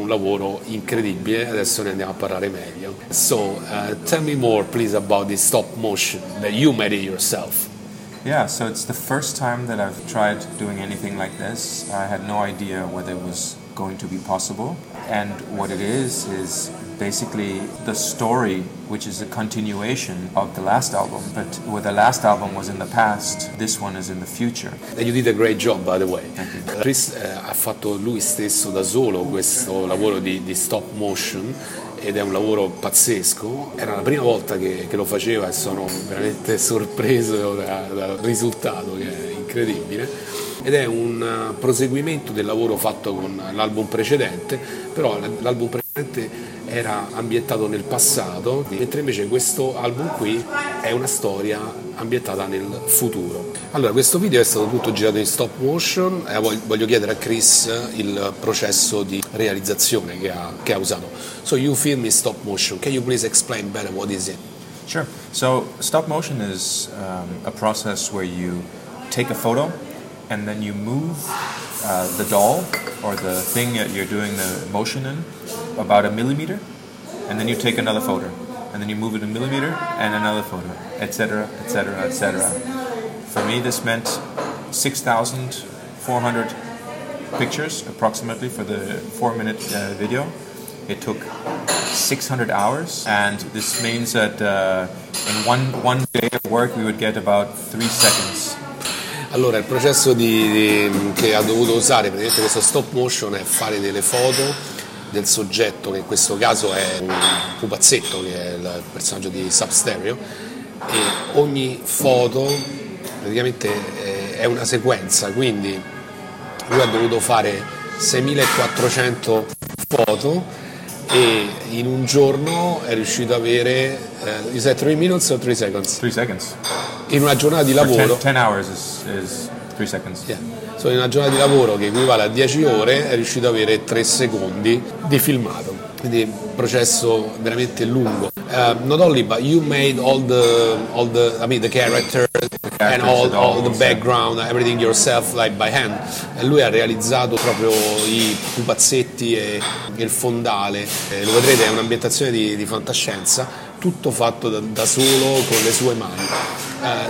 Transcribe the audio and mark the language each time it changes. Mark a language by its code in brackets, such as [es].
[it] Un lavoro incredibile. Adesso ne andiamo a parlare meglio. [en] So, tell me more, please, about this stop motion that you made it yourself. Yeah, so it's the first time that I've tried doing anything like this. I had no idea whether it was going to be possible. And what it is basically the story, which is a continuation of the last album. But where the last album was in the past, this one is in the future. And you did a great job, by the way. Thank you. [it] Chris ha fatto lui stesso da solo questo lavoro di stop motion. Ed è un lavoro pazzesco, era la prima volta che lo faceva e sono veramente sorpreso dal risultato, che è incredibile. Ed è un proseguimento del lavoro fatto con l'album precedente, però l'album precedente era ambientato nel passato, mentre invece questo album qui è una storia ambientata nel futuro. Allora, questo video è stato tutto girato in stop motion e voglio chiedere a Chris il processo di realizzazione che ha usato. [en] So you film in stop motion, can you please explain better what is it? Sure. So stop motion is a process where you take a photo and then you move the doll or the thing that you're doing the motion in about a millimeter, and then you take another photo, and then you move it a millimeter and another photo, etc., etc., etc. For me, this meant 6,400 pictures approximately for the 4-minute video. It took 600 hours, and this means that in one day of work we would get about 3 seconds. [it] Allora, il processo di che ha dovuto usare praticamente questo stop motion è fare delle foto del soggetto, che in questo caso è un pupazzetto, che è il personaggio di Substereo, e ogni foto praticamente è una sequenza, quindi lui ha dovuto fare 6.400 foto e in un giorno è riuscito ad avere, [en] is that 3 minutes or 3 seconds? 3 seconds. [it] In una giornata di lavoro. [en] 10 hours is 3 seconds. Yeah. [it] So in una giornata di lavoro che equivale a 10 ore è riuscito ad avere 3 secondi di filmato. Quindi processo veramente lungo. [en] not only, but you made all the characters and all the background, everything yourself, like by hand. [it] E lui ha realizzato proprio i pupazzetti e il fondale. Lo vedrete, è un'ambientazione di fantascienza, tutto fatto da solo con le sue mani.